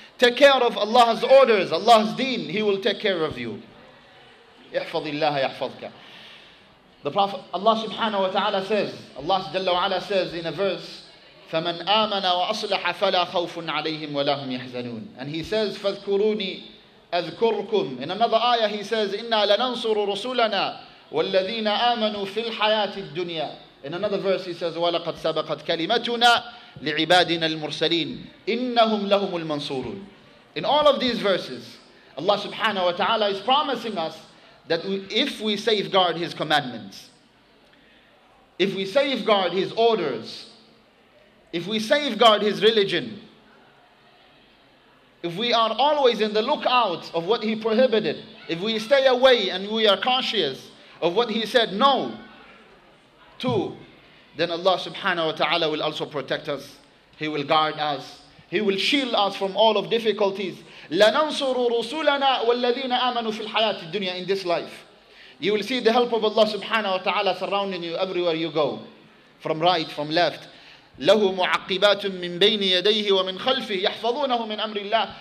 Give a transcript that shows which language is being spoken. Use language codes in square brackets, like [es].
[en] Take care of Allah's orders, Allah's deen, He will take care of you. [ar] احفظِ الله يحفظك. [en] The Prophet, Allah subhanahu wa ta'ala says, Allah jalla wa ala says in a verse, [ar] فَمَنْ آمَنَ وَأَصْلَحَ فَلَا خَوْفٌ عَلَيْهِمْ وَلَا هُمْ يَحْزَنُونَ. [en] And he says, [ar] فَذْكُرُونِي أَذْكُرْكُمْ. [en] In another ayah he says, [ar] إِنَّا لَنَنْصُرُ رُسُولَنَا وَالَّذِينَ آمَنُوا فِي الْحَيَاةِ الدُّنْيَا. [en] In another verse he says, [ar] وَلَقَدْ سَبَقَتْ كَلِمَتُنَا لِعِبَادِنَا الْمُرْسَلِينَ إِنَّهُمْ لَهُمُ الْمَنْصُورُونَ. [en] In all of these verses, Allah subhanahu wa ta'ala is promising us that if we safeguard His commandments, if we safeguard His orders, if we safeguard His religion, if we are always in the lookout of what He prohibited, if we stay away and we are conscious of what He said no to, then Allah subhanahu wa ta'ala will also protect us. He will guard us. He will shield us from all of difficulties. [ar] لَنَنْصُرُ رُسُولَنَا وَالَّذِينَ آمَنُوا فِي الْحَيَاةِ الدُّنْيَا. [en] In this life, you will see the help of Allah subhanahu wa ta'ala surrounding you everywhere you go, from right, from left. [ar] له معقبات من بين يديه ومن خلفه يحفظونه من أمر الله.